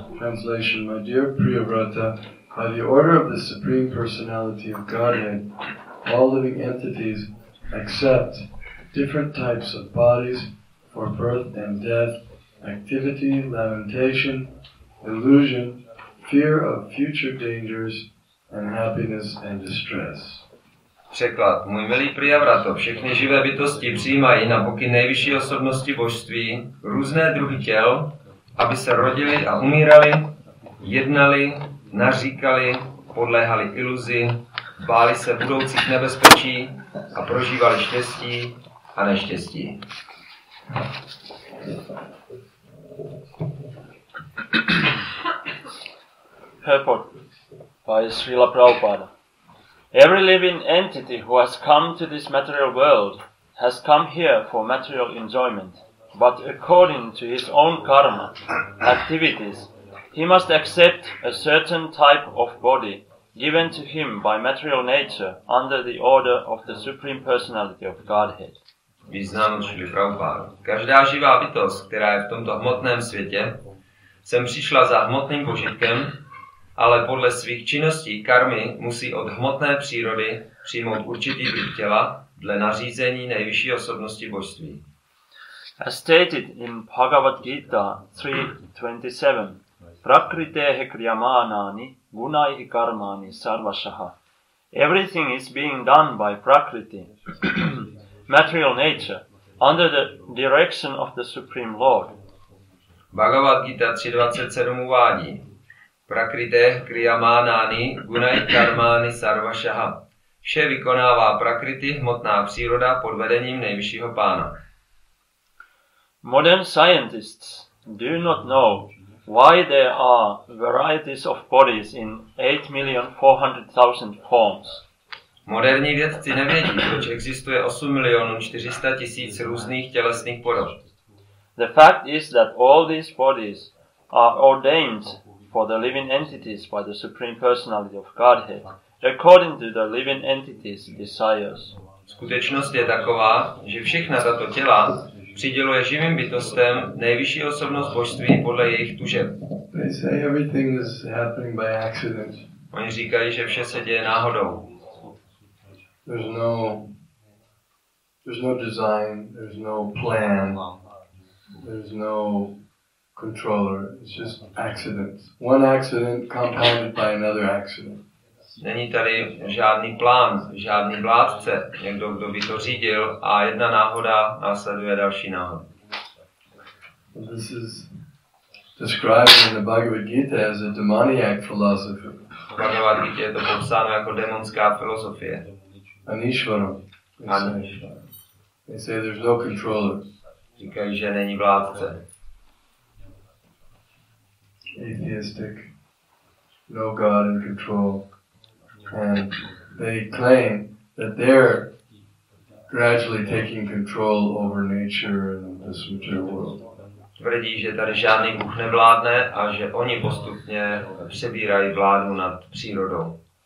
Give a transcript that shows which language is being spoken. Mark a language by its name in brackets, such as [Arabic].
[English] Translation, my dear Priyavrata, by the order of the Supreme Personality of Godhead, all living entities accept different types of bodies for birth and death, activity, lamentation, illusion, fear of future dangers, and happiness and distress. [Czech] Překlad. Můj milý Priyavrato, všechny živé bytosti přijímají na pokyn nejvyšší osobnosti božství různé druhy těl, aby se rodili a umírali, jednali, naříkali, podléhali iluzi, báli se budoucích nebezpečí a prožívali štěstí a neštěstí. [English] Purport by Srila Prabhupada. Every living entity who has come to this material world has come here for material enjoyment. But according to his own karma activities, he must accept a certain type of body given to him by material nature under the order of the Supreme Personality of Godhead. [Czech] Význam Srila Prabhupada. Každá živá bytost, která je v tomto hmotném světě, sem přišla za hmotným požitkem, ale podle svých činností karmy musí od hmotné přírody přijmout určitý druh těla dle nařízení nejvyšší osobnosti božství. [English] As stated in Bhagavad Gita 3.27, [Sanskrit] prakritehe kriyamanani gunaihi karmani sarvashaha. [English] Everything is being done by prakriti, material nature, under the direction of the Supreme Lord. [Czech] Bhagavad Gita 3.27 uvádí, [Sanskrit] prakritéh kriyamánány gunai karmány sarvašaha. [Czech] Vše vykonává prakriti, hmotná příroda, pod vedením nejvyššího pána. [English] Modern scientists do not know why there are varieties of bodies in 8,400,000 forms. [Czech] Moderní vědci nevědí, proč existuje 8,400,000 různých tělesných podob. [English] The fact is that all these bodies are ordained for the living entities by the Supreme Personality of Godhead, according to the living entities' desires. [Czech] Skutečnost je taková, že všechna tato těla přiděluje živým bytostem nejvyšší osobnost božství podle jejich tužeb. [English] They say everything is happening by accident. [Czech] Oni říkají, že vše se děje náhodou. [English] There's no design, there's no plan, there's no controller, it's just accidents. One accident compounded by another accident. [Czech] Není tady žádný plán, žádný vládce, někdo, kdo by to řídil, a jedna náhoda následuje další náhoda. [English] This is described in the Bhagavad Gita as a demoniac philosophy. [Czech] Bhagavad Gita je to popsáno jako demonská filozofie. [Sanskrit] Anishvara. [English] They say there's no controller. [Czech] Říkají, že není vládce. [English] Atheistic, no God in control, and they claim that they're gradually taking control over nature and this material world. [Czech] Tvrdí, že tady žádný Bůh nevládne a že oni postupně přebírají vládu nad přírodou.